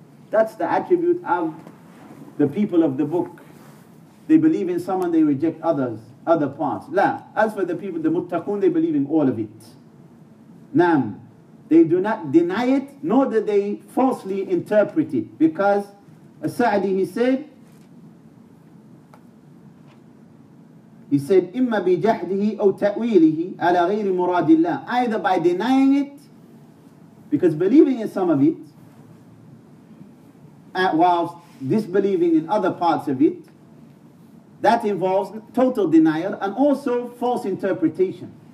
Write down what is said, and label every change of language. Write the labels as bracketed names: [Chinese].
[English] That's the attribute of the people of the book. They believe in some and they reject others, other parts. La, as for the people, the muttaqun, they believe in all of it. Naam, they do not deny it, nor do they falsely interpret it. Because As-Sa'di, he said, [Arabic] إِمَّا بِجَحْدِهِ أَوْ تَأْوِيلِهِ عَلَى غَيْرِ مُرَادِ اللَّهِ. [English] Either by denying it, because believing in some of it, whilst disbelieving in other parts of it, that involves total denial and also false interpretation.